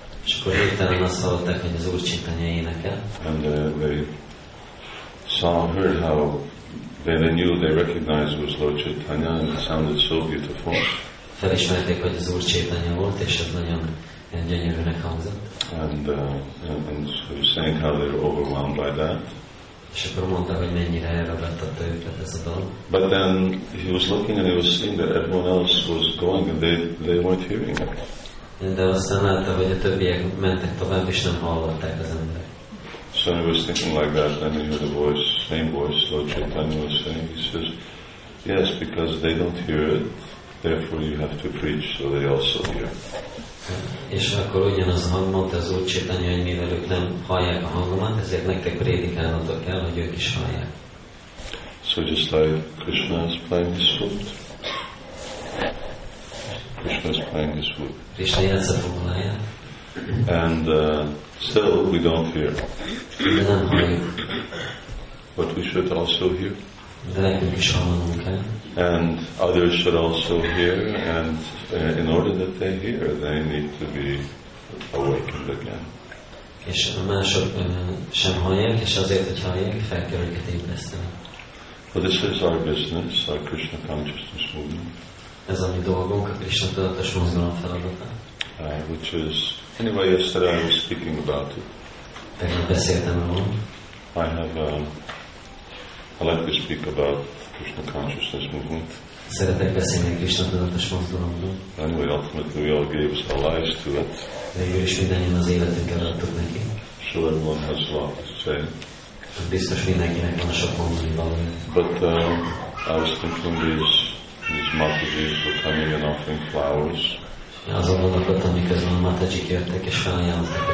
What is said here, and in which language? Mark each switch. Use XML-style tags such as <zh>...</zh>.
<hu>És akkor hirtelen azt hallották, hogy az Úr Chaitanya énekel.</hu> <en>And they saw and heard how they knew, they recognized it was Lord Chaitanya and it sounded so beautiful.</en> <hu>Felismerték, hogy az Úr Chaitanya volt, és ez nagyon gyönyörűnek hangzott.</hu> <en>And so saying how they were overwhelmed by that.</en> <hu>És akkor mondta, hogy mennyire elragadtatta őket ez a dolog.</hu> <en>But then he was looking and he was seeing that everyone else was going and they weren't hearing it.</en> <hu>De aztán látta, hogy a többiek mentek tovább és nem hallották az emberek.</hu> <en>So he was thinking like that, then he heard a voice, same voice, Lord Chaitanya was saying, he says, yes, because they don't hear it, therefore you have to preach so they also hear.</en> <hu>És akkor ugyanaz a hang mondta az Úr Chaitanya, hogy mivel ők nem hallják a hangomat, ezért nektek prédikálnotok kell, hogy ők is hallják.</hu> <en>So just like Krishna is playing his flute. Krishna is playing his flute.</en> <hu>Krishna játsza fogaláját.</hu> <en>And still we don't hear.</en> <hu>De nem halljuk.</hu> <en>But we should also hear.</en> <hu>De nekünk is hallanunk kell.</hu> <en>And others should also hear, and in order that they hear, they need to be awakened again.</en> <hu>És a mások sem hallják, és azért, hogy hallják, fel kell őket ébreszteni.</hu> <en>Well, this is our business, our Krishna consciousness movement.</en> <hu>Ez a mi dolgunk, a Krishna tudatos mozgalom feladata.</hu> <en>Which is, anyway, yesterday I was speaking about it.</en> <hu>Tegnap beszéltem róla.</hu> <en>I like to speak about Krishna consciousness movement.</en> <hu>Szeretek beszélni Krishna tudatos mozgalomról.</hu> <en>Anyway, ultimately we all gave our lives to it.</en> <hu>Végül is mindannyian az életünket adtuk neki.</hu> <en>So everyone has a lot to say.</en> <hu>Biztos mindenkinek van sok mondani valami.</hu> <en>But I was thinking these Matajis were coming and offering flowers.</en> <hu>Az a gondolat, amiközben a Matajik jöttek és felajánlottak a</hu>